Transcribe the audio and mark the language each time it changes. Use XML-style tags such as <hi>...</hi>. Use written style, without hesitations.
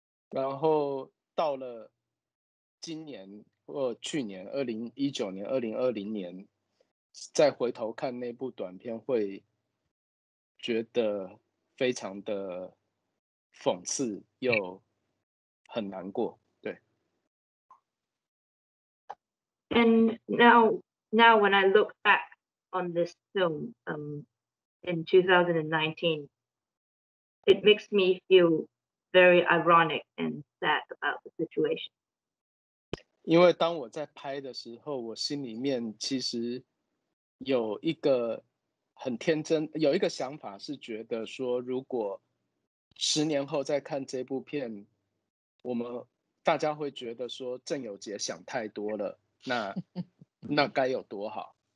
<zh>然后到了今年，或去年2019年、2020年，再回头看那部短片，会觉得非常的讽刺又很难过。对。</zh> <en>And now when I look back on this film, in 2019, it makes me feel very ironic and sad about the situation.</en> <zh>因为当我在拍的时候，我心里面其实有一个很天真，有一个想法是觉得说，如果十年后再看这部片，我们大家会觉得说郑有杰想太多了，那该有多好。</zh>